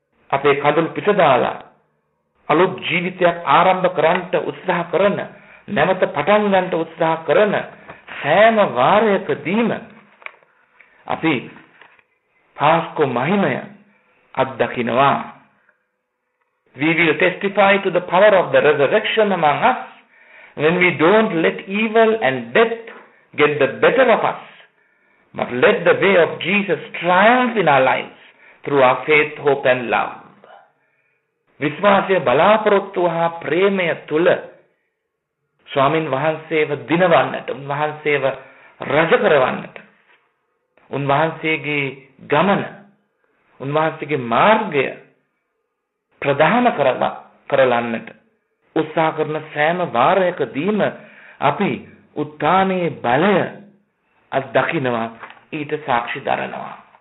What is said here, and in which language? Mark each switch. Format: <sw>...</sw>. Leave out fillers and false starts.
<si>අපේ කඳුළු පිටදාලා අලුත් ජීවිතයක් ආරම්භ කරන්නට උත්සාහ කරන, නැවත පටන් ගන්නට උත්සාහ කරන සෑම වාරයකදීම අපි පාස්කෝ මහිමය අත්දකිනවා.</si> <en>We will testify to the power of the resurrection among us when we don't let evil and death get the better of us, but let the way of Jesus triumph in our lives through our faith, hope and love.</en> <si>විශ්වාසය බලාපොරොත්තු හා ප්‍රේමය තුල ස්වාමින් වහන්සේව දිනවන්නට, උන්වහන්සේව රජ කරවන්නට, උන්වහන්සේගේ ගමන, උන්වහන්සේගේ මාර්ගය ප්‍රධාන කරලන්නට උත්සාහ කරන සෑම වාරයකදීම අපි උත්ථානයේ බලය අත්දකිනවා, ඊට සාක්ෂි දරනවා.</si>